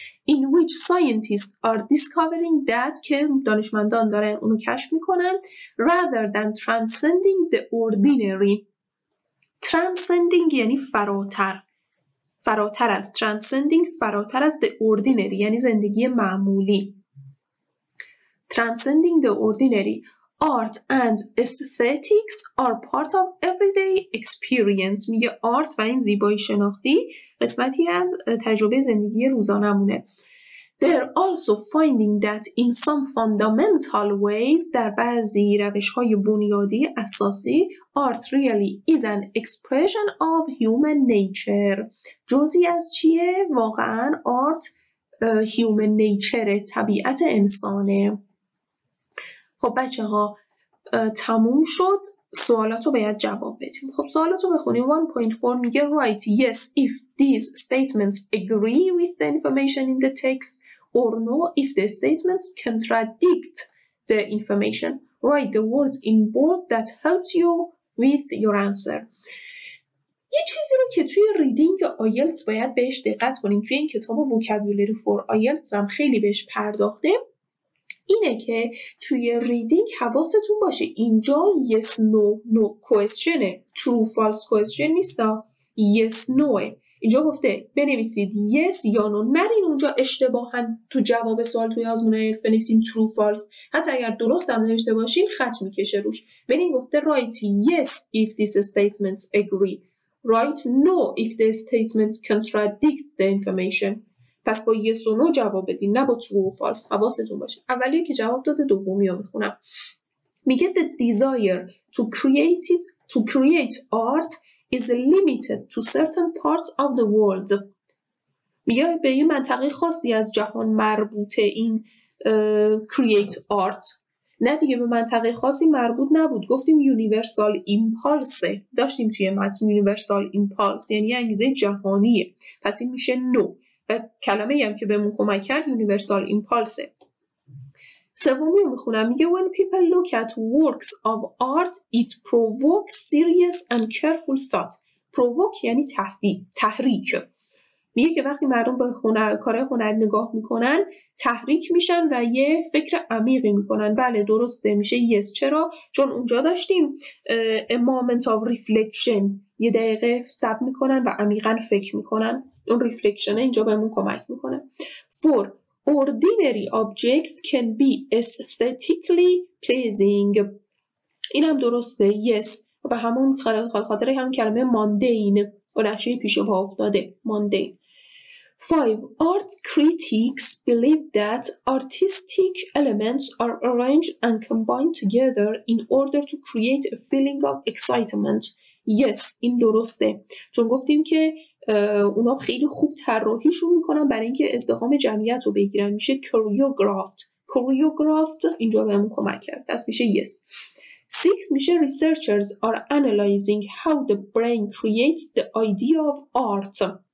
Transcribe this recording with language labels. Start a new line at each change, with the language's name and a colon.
English: In which scientists are discovering that
Persian: که دانشمندان دارن اونو کشف میکنن
English: rather than transcending the ordinary.
Persian: transcending یعنی فراتر از. transcending فراتر از
English: the ordinary
Persian: یعنی زندگی معمولی.
English: transcending the ordinary. Art and aesthetics are part of everyday experience.
Persian: میگه آرت و این زیبایی شناختی قسمتی از تجربه زندگی روزانه‌مونه.
English: They are also finding that in some fundamental ways,
Persian: در بعضی روش‌های بنیادی اساسی,
English: art really is an expression of human nature.
Persian: جزی از چیه؟ واقعاً art human nature، طبیعت انسانه. خب بچه ها تموم شد، سوالاتو باید جواب بدیم. خب سوالاتو بخونیم.
English: 1.4 میگه right yes if these statements agree with the information in the text or no if the statements contradict the information. Write the words in bold that helps you with your answer.
Persian: یه چیزی رو که توی ریدینگ آیلتس باید بهش دقت کنیم، توی این کتاب Vocabulary for IELTS هم خیلی بهش پرداختیم، اینه که توی ریدینگ حواستون باشه اینجا yes no questionه، true false question نیستا، yes no اینجا گفته بنویسید yes یا no، نرین اونجا اشتباهاً تو جواب سوال توی آزمون ایلتس بنویسین true false، حتی اگر درست هم نوشته باشین خط میکشه روش. بنین گفته
English: write yes if these statements agree، write no if the statements contradict the information.
Persian: پس با yes و no جواب بدین، نه با true و false. حواستون باشه. اولی که جواب داده، دومی رو میخونم.
English: میگه the desire to create art is limited to certain parts of the world.
Persian: میگه به یه منطقه خاصی از جهان مربوطه این create art. نه دیگه، به منطقه خاصی مربوط نبود. گفتیم universal impulse. داشتیم توی متن universal impulse. یعنی انگیزه جهانیه. پس این میشه no. و کلمه ای هم که بهمون کمک کرد universal impulse. سومی رو میخونم.
English: میگه when people look at works of art it provokes serious and careful thought.
Persian: provoke یعنی تهدید، تحریک. میگه که وقتی مردم به کارهای هنر نگاه میکنن تحریک میشن و یه فکر عمیقی میکنن. بله درسته، میشه yes. چرا؟ چون اونجا داشتیم
English: a moment of reflection،
Persian: یه دقیقه صبر میکنن و عمیقا فکر میکنن. اون ریفلکشنه اینجا بهمون کمک میکنه.
English: 4. Ordinary objects can be aesthetically pleasing.
Persian: اینم درسته، yes. و به همون خاطر همون کلمه mundane و نحشه پیش پا افتاده، mundane. 5.
English: Art critics believe that artistic elements are arranged and combined together in order to create a feeling of excitement.
Persian: Yes، این درسته، چون گفتیم که اونا خیلی خوب طراحیشو میکنن برای اینکه ازدحام جمعیت رو بگیرن، میشه choreographed. اینجا بهمون کمک کرد، پس میشه yes.
English: 6. میشه researchers are analyzing how the brain creates the idea of art.